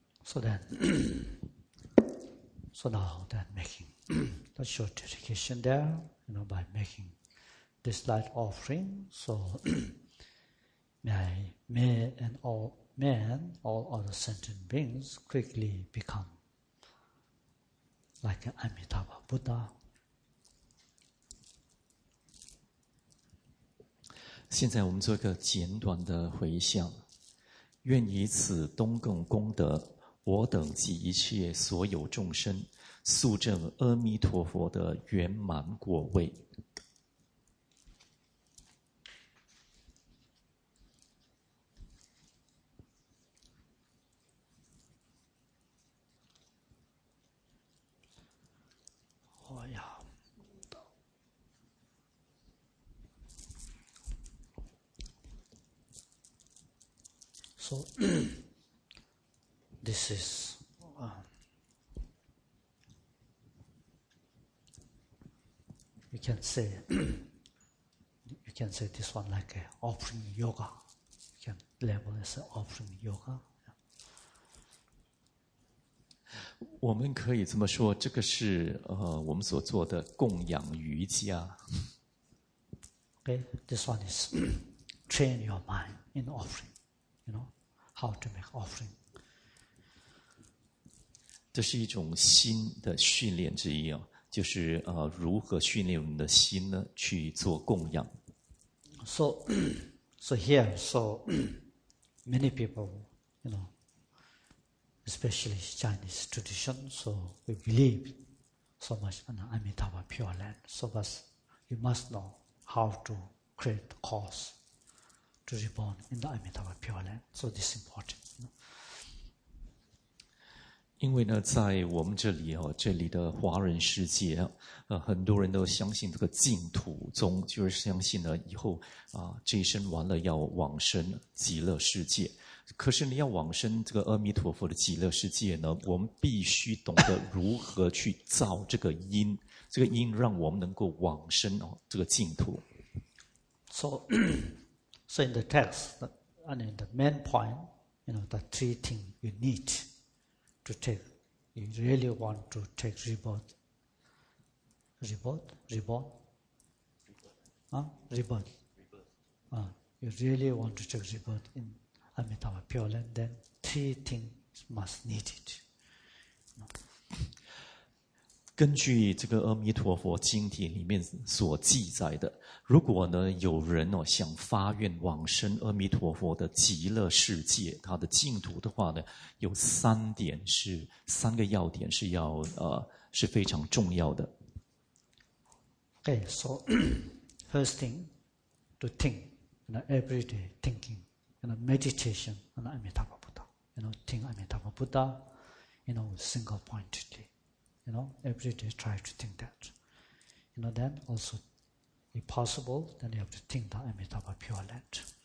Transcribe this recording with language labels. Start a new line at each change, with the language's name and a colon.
English: So now that making the short dedication there, you know, by making this light offering, so may all other sentient beings quickly become like Amitabha Buddha.
Chinese: 现在我们做一个简短的回向，愿以此东更功德。我等及一切所有众生，速证阿弥陀佛的圆满果位。
English: So. This is you can say this one like an offering yoga. You can label it as an offering yoga.
Chinese: 我们可以这么说，这个是我们所做的供养瑜伽。
English: Okay, this one is train your mind in offering. You know how to make offering.
Chinese: 这是一种心的训练之一，就是如何训练我们的心呢，去做供养。
English: So here, many people, you know, especially Chinese tradition, so we believe so much in Amitabha Pure Land. So thus, you must know how to create cause to reborn in the Amitabha Pure Land. So this is important.
Chinese: 因为呢，在我们这里哦，这里的华人世界，很多人都相信这个净土宗，就是相信呢以后这一生完了要往生极乐世界。可是你要往生这个阿弥陀佛的极乐世界呢，我们必须懂得如何去造这个因，这个因让我们能够往生哦这个净土。
English: So in the text, and in the main point, you know, the three things you need. To take, you really want to take rebirth. You really want to take rebirth in Amitabha Pure Land. Then three things must need it.
Chinese: 根据这个阿弥陀佛经典里面所记载的，如果呢有人哦想发愿往生阿弥陀佛的极乐世界，他的净土的话呢，有三点是三个要点是要是非常重要的。
English: Okay, so first thing to think, you know, every day thinking, you know, meditation on Amitabha Buddha, you know, think Amitabha Buddha, you know, single pointedly. You know, every day try to think that. You know, then also, if possible, then you have to think the Amitabha Pure Land.